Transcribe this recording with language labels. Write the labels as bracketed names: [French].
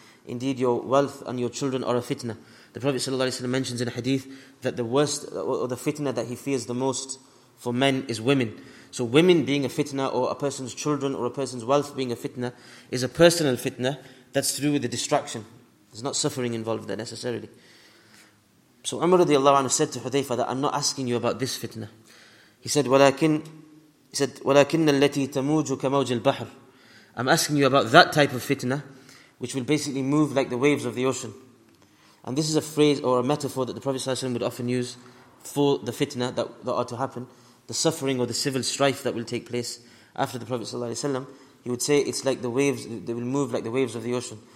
[English] Indeed, your wealth and your children are a fitna. The Prophet ﷺ mentions in a hadith that the worst, or the fitna that he fears the most for men is women. So women being a fitna, or a person's children or a person's wealth being a fitna, is a personal fitna that's to do with the distraction. There's not suffering involved there necessarily. So Umar radiallahu anhu said to Hudhayfa that I'm not asking you about this fitna. He said, [Arabic] وَلَكِنَّ الَّتِي تَمُوجُ كَمَوْجِ الْبَحْرِ. [English] I'm asking you about that type of fitna, which will basically move like the waves of the ocean. And this is a phrase or a metaphor that the Prophet ﷺ would often use for the fitna that are to happen, the suffering or the civil strife that will take place after the Prophet ﷺ. He would say it's like the waves, they will move like the waves of the ocean.